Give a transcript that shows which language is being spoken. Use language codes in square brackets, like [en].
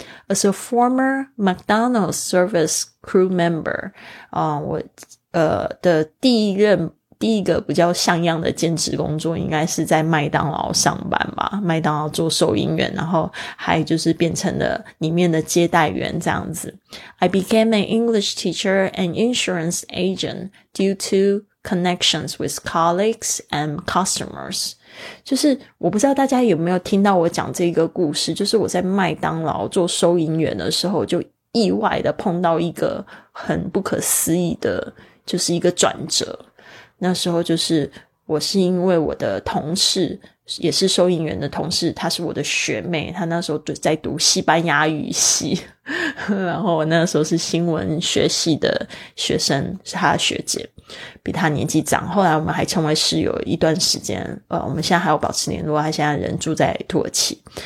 [en] As a former McDonald's service crew member, [zh] 我的第一个比较像样的兼职工作应该是在麦当劳上班吧，麦当劳做收银员，然后还就是变成了里面的接待员这样子。 [en] I became an English teacher and insurance agent due to connections with colleagues and customers. [zh] 就是我不知道大家有没有听到我讲这个故事，就是我在麦当劳做收银员的时候就意外的碰到一个很不可思议的就是一个转折。那时候就是我是因为我的同事也是收银员的同事，她是我的学妹，她那时候在读西班牙语系，然后我那时候是新闻学系的学生，是她的学姐，比她年纪长，后来我们还成为室友一段时间，我们现在还有保持联络，她现在人住在土耳其。